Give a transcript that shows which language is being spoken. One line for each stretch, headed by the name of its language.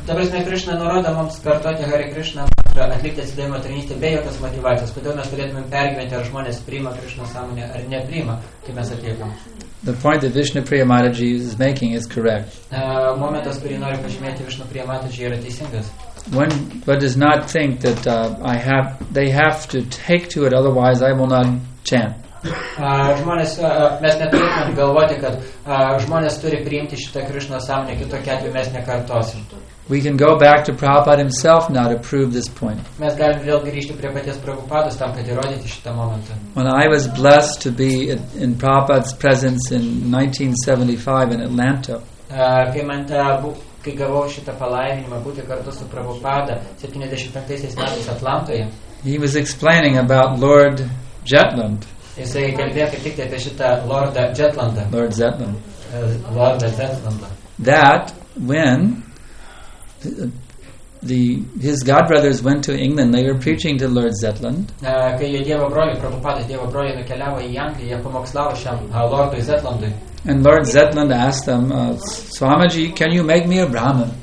English: The point that Vishnu Priya Mataji is making is correct. one does not think that I have, they have to take to it, otherwise I will not chant.
Lithuanian: Žmonės, mes neturėtume galvoti, kad žmonės turi priimti šitą Krishna sąmonę, kitokiu atveju mes nekartosim.
English: We can go back to Prabhupada himself now to prove this point.
Lithuanian: Mes galime vėl grįžti prie paties Prabhupados tam, kad įrodyti šitą momentą.
English: When I was blessed to be in Prabhupada's presence in 1975 in Atlanta.
Lithuanian: Kai gavau šitą palaiminimą būti kartu su Prabhupada 75-aisiais metais Atlantoje.
English: He was explaining about Lord Jetland.
Lithuanian: Jisai kalbėjo kaip tik apie šitą Lordą Jetlandą.
English: Lord Jetland.
Lithuanian: Lordą Jetlandą.
English: That when his god brothers went to England, they were preaching to Lord Zetland.
Lithuanian: Kai jo dievo broliai, Prabhupada dievo broliai nukeliavo į Angliją, jie pamokslavo šiam Lordui Zetlandui.
English: And Lord Zetland asked them, Swamiji, can you make me a Brahman?